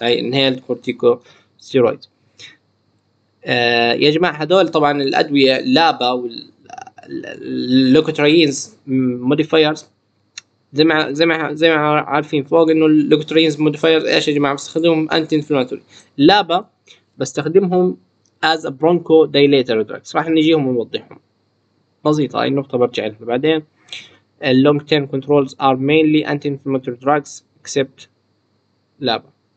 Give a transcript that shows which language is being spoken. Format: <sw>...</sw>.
<ar>هاي انهيلد كورتيكوستيرويدز يا جماعه هذول طبعا الادويه لابا واللوك ترينز موديفايرز زي ما عارفين فوق انه اللوك ترينز موديفايرز ايش يا جماعه بستخدمهم انتي انفلاماتوري. لابا بستخدمهم</ar> <en>as a bronchodilator drugs.</en> <ar>راح نجيهم ونوضحهم بسيطة هاي النقطة برجع لها بعدين.</ar> <en>long term controls are mainly anti-inflammatory drugs except LABA.</en>